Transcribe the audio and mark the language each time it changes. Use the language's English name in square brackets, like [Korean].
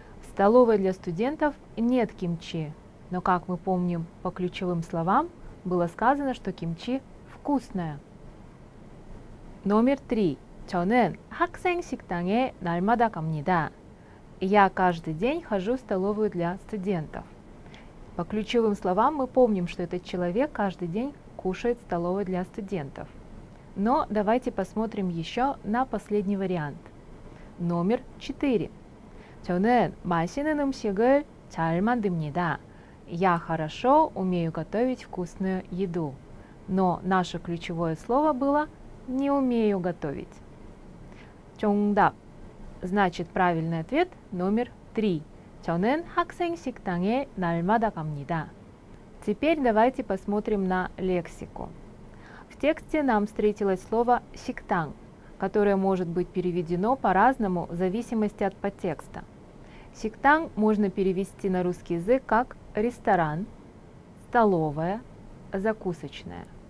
[Russian] В столовой для студентов нет кимчи. Но как мы помним по ключевым словам, было сказано, что кимчи вкусное. Номер 3. [Korean] 저는 학생 식당에 날마다 갑니다. [Russian] Я каждый день хожу в столовую для студентов. По ключевым словам мы помним, что этот человек каждый день кушает в столовой для студентов. Но давайте посмотрим еще на последний вариант. Номер 4. [Korean] 저는 맛있는 음식을 잘 만듭니다. [Russian] Я хорошо умею готовить вкусную еду. Но наше ключевое слово было «не умею готовить». [Korean] 정답. [Russian] Значит, правильный ответ номер 3. [Korean] 저는 학생 식당에 날마다 갑니다. [Russian] Теперь давайте посмотрим на лексику. В тексте нам встретилось слово «식당», которое может быть переведено по-разному в зависимости от подтекста. «식당» можно перевести на русский язык как «ресторан», «столовая», «закусочная».